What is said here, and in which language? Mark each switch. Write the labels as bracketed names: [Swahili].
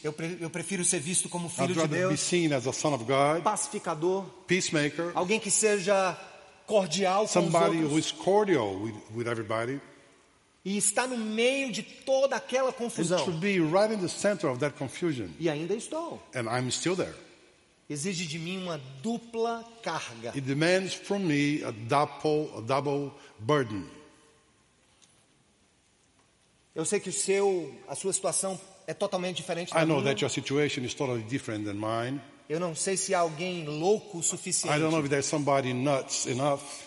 [Portuguese] Eu prefiro ser visto como filho de Deus. [English] I'd rather be seen as a son of God. [Portuguese] Pacificador. [English] Peacemaker. [Portuguese] Alguém que seja cordial com [English] somebody [Portuguese] os outros. [English] Somebody who is cordial with everybody. [Portuguese] E está no meio de toda aquela confusão. [English] And to be right in the center of that confusion. [Portuguese] E ainda estou. [English] And I'm still there. [Portuguese] Exige de mim uma dupla carga. [English] It demands from me a double burden. [Portuguese] Eu sei que a sua situação é totalmente diferente da [English] minha. I know that your situation is totally different than mine. [Portuguese] Eu não sei se há alguém louco o suficiente. [English] I don't know if there's somebody nuts enough.